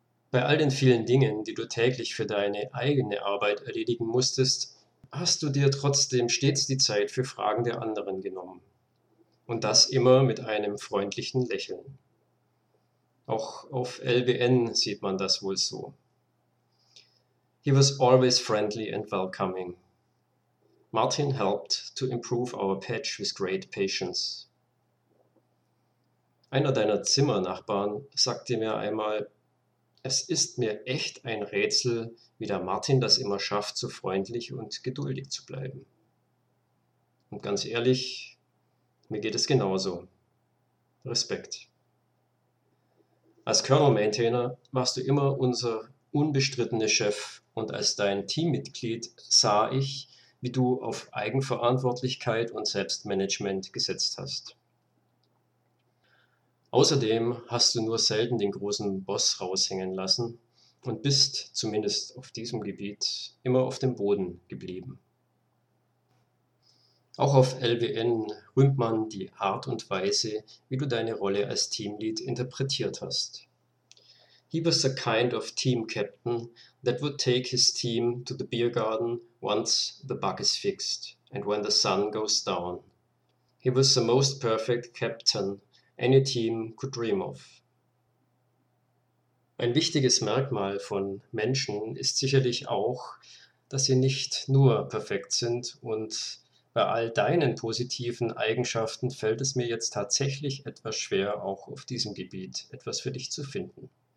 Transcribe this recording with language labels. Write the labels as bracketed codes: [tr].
[de] Bei all den vielen Dingen, die du täglich für deine eigene Arbeit erledigen musstest, hast du dir trotzdem stets die Zeit für Fragen der anderen genommen. Und das immer mit einem freundlichen Lächeln. Auch auf LWN sieht man das wohl so. [en] He was always friendly and welcoming. Martin helped to improve our patch with great patience. [de] Einer deiner Zimmernachbarn sagte mir einmal: Es ist mir echt ein Rätsel, wie der Martin das immer schafft, so freundlich und geduldig zu bleiben. Und ganz ehrlich, mir geht es genauso. Respekt. Als Kernel-Maintainer warst du immer unser unbestrittener Chef und als dein Teammitglied sah ich, wie du auf Eigenverantwortlichkeit und Selbstmanagement gesetzt hast. Außerdem hast du nur selten den großen Boss raushängen lassen und bist, zumindest auf diesem Gebiet, immer auf dem Boden geblieben. Auch auf LWN rühmt man die Art und Weise, wie du deine Rolle als Teamlead interpretiert hast. [en] He was the kind of team captain that would take his team to the beer garden once the bug is fixed and when the sun goes down. He was the most perfect captain any team could dream of. [de] Ein wichtiges Merkmal von Menschen ist sicherlich auch, dass sie nicht nur perfekt sind und bei all deinen positiven Eigenschaften fällt es mir jetzt tatsächlich etwas schwer, auch auf diesem Gebiet etwas für dich zu finden.